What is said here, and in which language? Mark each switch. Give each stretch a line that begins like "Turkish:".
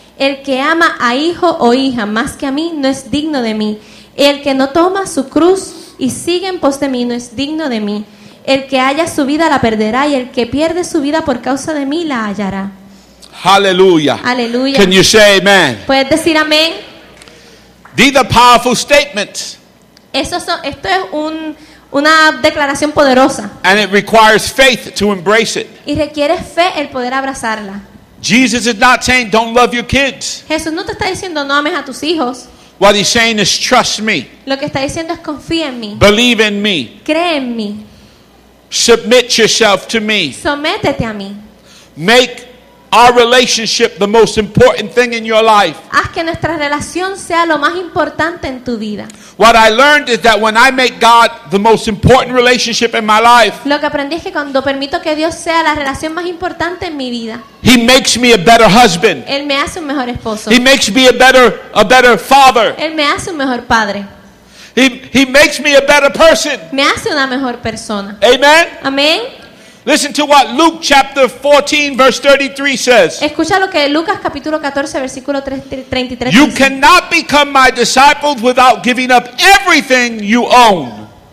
Spanish: El que ama a hijo o hija más que a mí no es digno de mí. El que no toma su cruz y sigue en pos de mí no es digno de mí. El que halla su vida la perderá y el que pierde su vida por causa de mí la hallará. Hallelujah. Hallelujah.
English: Can you say amen?
Spanish: ¿Puedes decir amén?
English: These are powerful statements.
Spanish: Esto es una declaración poderosa.
English: And it requires faith to embrace it.
Spanish: Y requiere fe el poder abrazarla.
English: Jesus is not saying don't love your kids.
Spanish: Jesús no te está diciendo no ames a tus hijos.
English: What he's saying is trust me.
Spanish: Lo que está diciendo es confía en mí.
English: Believe in me.
Spanish: Cree en mí.
English: Submit yourself to me.
Spanish: Sométete a mí.
English: Make our relationship the most important thing in your life.
Spanish: Haz que nuestra relación sea lo más importante en tu vida.
English: What I learned is that when I make God the most important relationship in my life,
Spanish: lo que aprendí es que cuando permito que Dios sea la relación más importante en mi vida,
English: He makes me a better husband.
Spanish: Él me hace un mejor esposo.
English: He makes me a better father.
Spanish: Él me hace un mejor padre.
English: He makes me a better person.
Spanish: Me hace una mejor persona.
English: Amen.
Spanish: Amén.
English: Listen to what Luke chapter 14 verse 33 says.
Spanish: Escucha lo que Lucas capítulo 14 versículo 33 dice.
English: You cannot become my disciples without giving up everything you own.